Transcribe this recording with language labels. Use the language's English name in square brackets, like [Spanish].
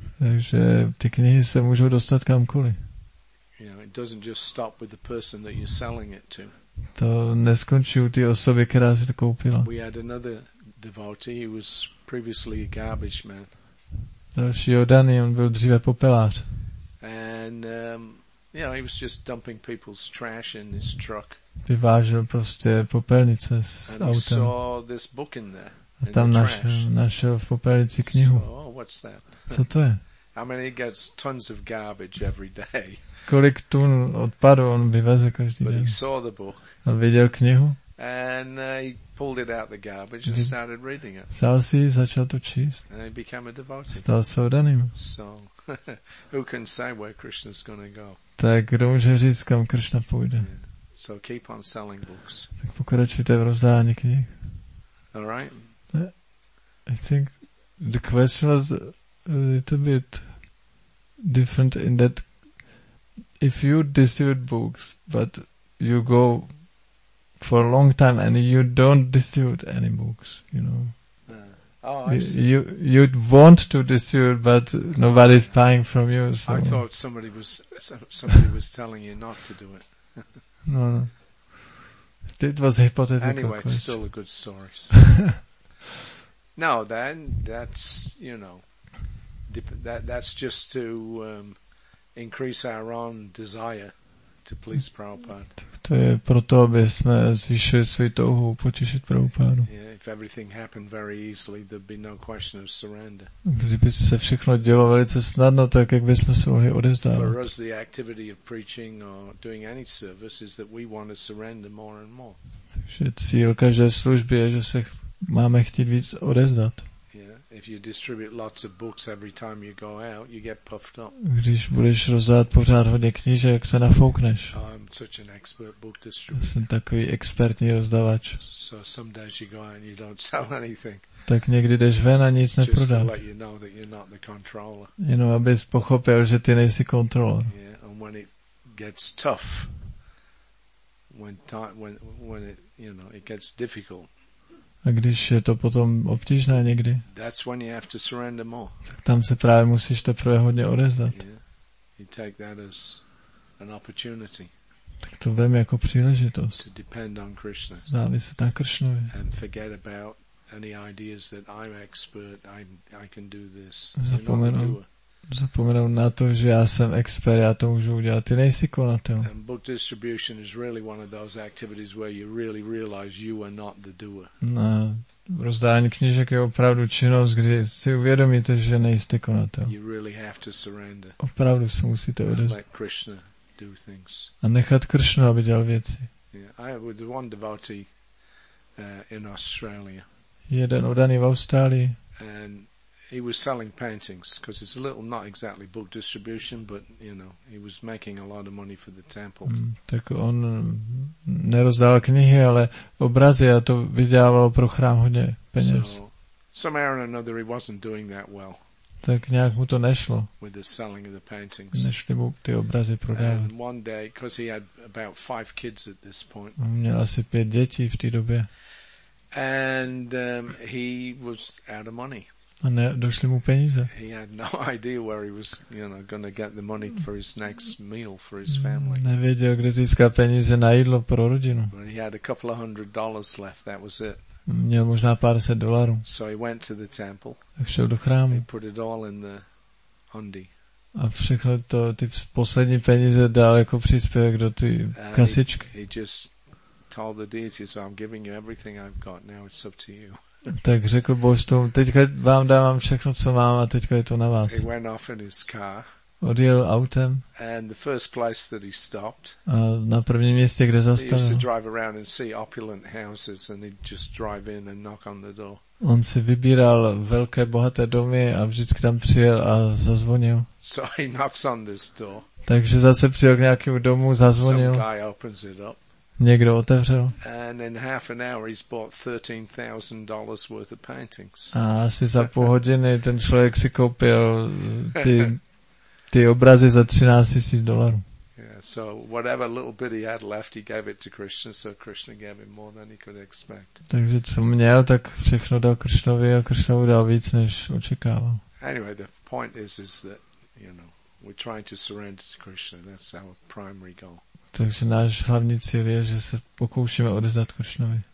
[Czech] Takže ty knihy se můžou dostat kamkoliv. [English] You know, it doesn't just stop with the person that you're selling it to. [Czech] To neskončí u té osoby, která si to koupila. [English] We had another devotee, he was previously a garbage man. [Czech] Další oddaný, on byl dříve popelář. [English] And, you know, he was just dumping people's trash in his truck. [Czech] Vyvážel prostě popelnice s autem. [English] And he saw this book in there. [Czech] A tam našel v popelnici knihu. Co to je? [English] I mean, he gets tons of garbage every day. [Czech] Kolik tun odpadu on vyveze každý den. [English] But he saw the book. [Czech] On viděl knihu. [English] And he pulled it out the garbage and started reading it. [Czech] Vzal si ji, začal to číst. [English] And he became a devotee. [Czech] Stal se oddaným. [English] So, who can say where Krishna's gonna go? [Czech] Tak kdo může říct, kam Krishna půjde? [English] So keep on selling books. [Czech] Tak pokračujte v rozdání knih. [English] All right. I think the question was a little bit different in that if you distribute books but you go for a long time and you don't distribute any books, you know. You'd want to distribute but nobody's buying from you. So. I thought somebody was telling you not to do it. No. It was a hypothetical anyway, question. It's still a good story. So. No, then that's, you know, that's just to increase our own desire to please Prabhupada. [Czech] To je proto, aby jsme zvýšili svou touhu potěšit Prabhupádu. [English] Yeah, if everything happened very easily, there'd be no question of surrender. [Czech] Kdyby se všechno dělo velice snadno, tak jak bychom se mohli odevzdávat. [English] For us, the activity of preaching or doing any service is that we want to surrender more and more. [Czech] Takže cíl každé služby je, že se máme chtít víc odezdat. [English] Yeah, if you distribute lots of books every time you go out, you get puffed up. [Czech] Když budeš rozdávat pořád hodně knížek, se nafoukneš. [English] Oh, I'm such an expert book distributor. [Czech] Jsem takový expertní rozdavač. [English] So some days you go out and you don't sell anything. [Czech] Tak někdy jdeš ven a nic neprodáš. [English] Just to let you know that you're not the controller. [Czech] Jenom abys pochopil, že ty nejsi kontrolor. [English] Yeah, and when it gets tough, when it, you know, it gets difficult. [Czech] A když je to potom obtížné někdy, [English] that's when you have to surrender more. [Czech] Tak tam se právě musíš teprve hodně odezvat. [English] Yeah. You take that as an opportunity. [Czech] Tak to vem jako příležitost. [English] To depend on Krishna. [Czech] Záviset na Krishnovi. [English] And forget about any ideas that I'm expert, I can do this. [Czech] Zapomenout, zapomenout na to, že já jsem expert, já to můžu udělat, ty nejsi konatel. [English] And book distribution is really one of those activities where you really realize you are not the doer. [Czech] No, rozdání knížek je opravdu činnost, kdy si uvědomíte, že nejste konatel. [English] You really have to surrender. [Czech] Opravdu se musíte odevzdat. [English] Let Krishna do things. [Czech] A nechat Krishna, aby dělal věci. [English] Yeah, I have with one devotee in Australia. [Czech] Jeden oddaný v Austrálii. [English] And he was selling paintings because it's a little not exactly book distribution, but you know, he was making a lot of money for the temple. [Czech] Tak on nerozdával knihy, ale obrazy, a to vydělávalo pro chrám hodně peněz. [English] So, somehow or another he wasn't doing that well. [Czech] Tak nějak mu to nešlo. [English] With the selling of the paintings. [Czech] Nešli mu ty obrazy prodávat. [English] And one day, because he had about 5 kids at this point. [Czech] Měl asi 5 dětí v té době. [English] And he was out of money. [Czech] A ne, došli mu peníze. [English] He had no idea where he was, you know, going to get the money for his next meal for his family. [Czech] Nevěděl, kde získá peníze na jídlo pro rodinu. [English] But he had a couple of hundred dollars left. That was it. [Czech] Měl možná pár set dolarů. [English] So he went to the temple. [Czech] Tak šel do chrámu. [English] He put it all in the hundi. [Czech] A všechno to, ty poslední peníze dal jako příspěvek do ty kasičky. [English] He just told the deity, so I'm giving you everything I've got. Now it's up to you. [Czech] Tak řekl božstvům, teďka vám dávám všechno, co mám, a teďka je to na vás. [English] He went off in his car. [Czech] Odjel autem. [English] And the first place that he stopped. [Czech] A na prvním místě, kde zastavil. [English] He used to drive around and see opulent houses, and he'd just drive in and knock on the door. [Czech] On si vybíral velké bohaté domy a vždycky tam přijel a zazvonil. [English] So he knocks on this door. [Czech] Takže zase přijel k nějakému domu, zazvonil. [English] Some guy opens it up. [Czech] Někdo otevřel. [English] And in half an hour he's bought $13,000 worth of paintings. [Czech] A asi za půl hodiny ten člověk si koupil ty obrazy za 13,000 dollars. [English] Yeah, so whatever little bit he had left, he gave it to Krishna, so Krishna gave him more than he could expect. [Czech] Takže co měl, tak všechno dal Krishnovi a Krishna mu dal víc, než očekával. [English] Anyway, the point is that, you know, we're trying to surrender to Krishna. That's our primary goal. [Czech] Takže náš hlavní cíl je, že se pokoušíme odezdat Krishnovi.